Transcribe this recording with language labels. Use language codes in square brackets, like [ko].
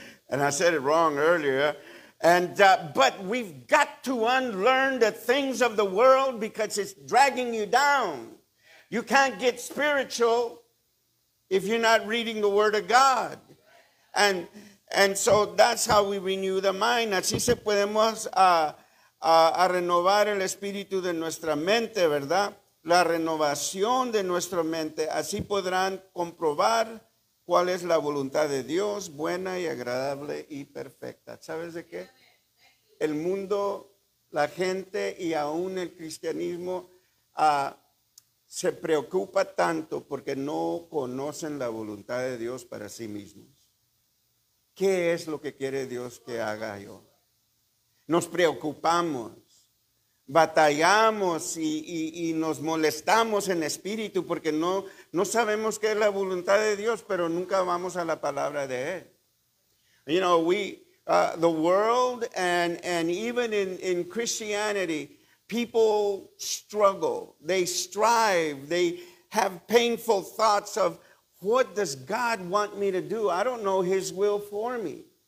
[en] And I said it wrong earlier. But we've got to unlearn the things of the world because it's dragging you down. You can't get spiritual if you're not reading the word of God. And so that's how we renew the mind. [es] Así se podemos a renovar el espíritu de nuestra mente, ¿verdad? La renovación de nuestra mente. Así podrán comprobar cuál es la voluntad de Dios, buena y agradable y perfecta. ¿Sabes de qué? El mundo, la gente y aún el cristianismo se preocupa tanto porque no conocen la voluntad de Dios para sí mismos. ¿Qué es lo que quiere Dios que haga yo? Nos preocupamos, batallamos y nos molestamos en espíritu porque no sabemos qué es la voluntad de Dios, pero nunca vamos a la palabra de Él. [en] You know, the world and even in Christianity, people struggle. They strive. They have painful thoughts of what does God want me to do? I don't know His will for me.